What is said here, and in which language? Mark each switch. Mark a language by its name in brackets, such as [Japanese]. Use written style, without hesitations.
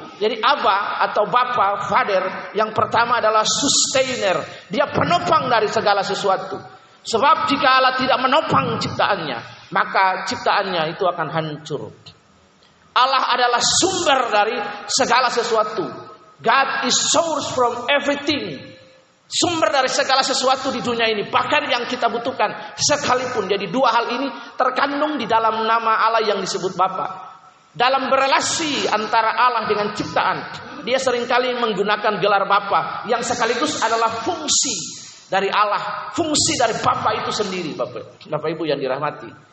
[Indonesian] Jadi Abba atau Bapa, Father, yang pertama adalah sustainer. Dia penopang dari segala sesuatu. Sebab jika Allah tidak menopang ciptaannya, maka ciptaannya itu akan hancur. Allah adalah sumber dari segala sesuatu. [English] God is source from everything. [Indonesian] Sumber dari segala sesuatu di dunia ini. Bahkan yang kita butuhkan sekalipun. Jadi dua hal ini terkandung di dalam nama Allah yang disebut Bapa. Dalam berelasi antara Allah dengan ciptaan, dia seringkali menggunakan gelar Bapa yang sekaligus adalah fungsi dari Allah, fungsi dari Bapa itu sendiri, Bapak Ibu yang dirahmati.